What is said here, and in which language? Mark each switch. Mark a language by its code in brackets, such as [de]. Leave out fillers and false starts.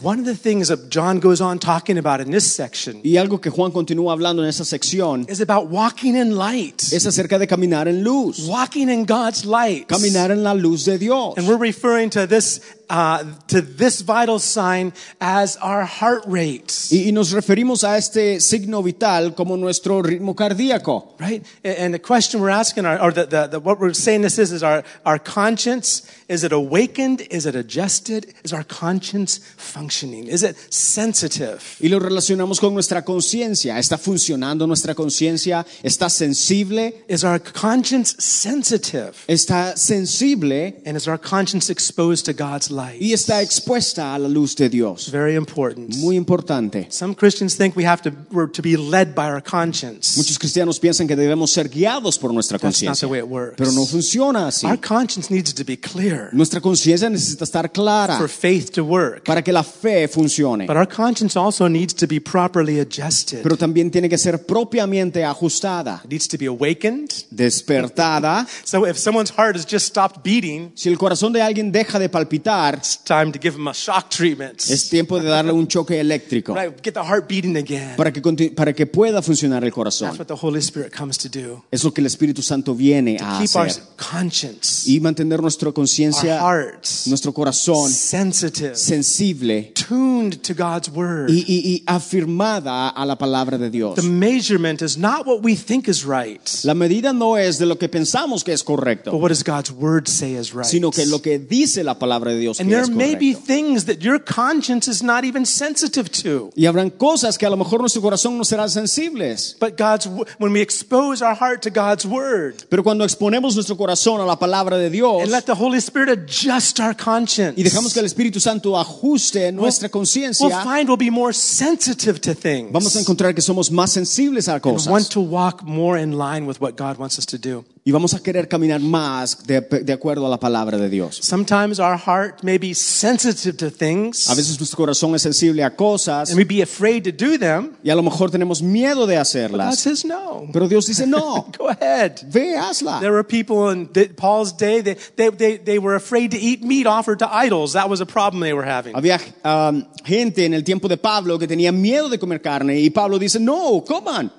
[en] One of the things that John goes on talking about in this section. [es] Y algo que Juan continúa hablando en esta sección. [en] Is about walking in light. [es] Es acerca de caminar en luz. [en] Walking in God's light. [es] Caminar en la luz de Dios. [en] And we're referring to this. To this vital sign as our heart rate. [es] Y nos referimos a este signo vital como nuestro ritmo cardíaco. [en] Right? And the question we're asking, or the what we're saying this is our conscience, is it awakened? Is it adjusted? Is our conscience functioning? Is it sensitive? [es] Y lo relacionamos con nuestra conciencia. ¿Está funcionando nuestra conciencia? ¿Está sensible? [en] Is our conscience sensitive? [es] ¿Está sensible? [en] And is our conscience exposed to God's [es] y está expuesta a la luz de Dios. [en] Very important. [es] Muy importante. [en] Some Christians think we have to be led by our conscience. [es] Muchos cristianos piensan que debemos ser guiados por nuestra conciencia. [en] That's not the way it works. [es] Pero no funciona así. [en] Our conscience needs to be clear. [es] Nuestra conciencia necesita estar clara. [en] For faith to work. [es] Para que la fe funcione. [en] But our conscience also needs to be properly adjusted. [es] Pero también tiene que ser propiamente ajustada. [en] It needs to be awakened. [es] Despertada. [en] So if someone's heart has just stopped beating, [es] si el corazón de alguien deja de palpitar, [en] it's time to give him a shock treatment. [es] Es tiempo de darle un choque eléctrico. [en] Right, get the heart beating again. [es] Para que pueda funcionar el corazón. [en] That's what the Holy Spirit comes to do. [es] Es lo que el Espíritu Santo viene [en] to [es] a [en] keep [es] hacer. [en] Our conscience, [es] y mantener nuestra conciencia, nuestro corazón, [en] sensitive, [es] sensible, [en] tuned to God's word. [es] Y afirmada a la palabra de Dios. [en] The measurement is not what we think is right. [es] La medida no es de lo que pensamos que es correcto. [en] But what does God's word say is right? [es] Sino que lo que dice la palabra. [en] And there may be things that your conscience is not even sensitive to. [es] Y habrán cosas que a lo mejor nuestro corazón no será sensibles. [en] But God's, when we expose our heart to God's word. [es] Pero cuando exponemos nuestro corazón a la palabra de Dios. [en] And let the Holy Spirit adjust our conscience. [es] Y dejamos que el Espíritu Santo ajuste nuestra conciencia. [en] We'll find we'll be more sensitive to things. [es] Vamos a encontrar que somos más sensibles a cosas. [en] And want to walk more in line with what God wants us to do. [es] Y vamos a querer caminar más de acuerdo a la palabra de Dios. [en] Sometimes our heart may be sensitive to things. [es] A veces nuestro corazón es sensible a cosas. [en] And we'd be afraid to do them. [es] Y a lo mejor tenemos miedo de hacerlas. [en] But God says no. [es] Pero Dios dice no. [en] Go ahead. [es] Ve, hazla. [en] There were people in Paul's day they were afraid to eat meat offered to idols. That was a problem they were having. [es] Había gente en el tiempo de Pablo que tenía miedo de comer carne y Pablo dice no, coman.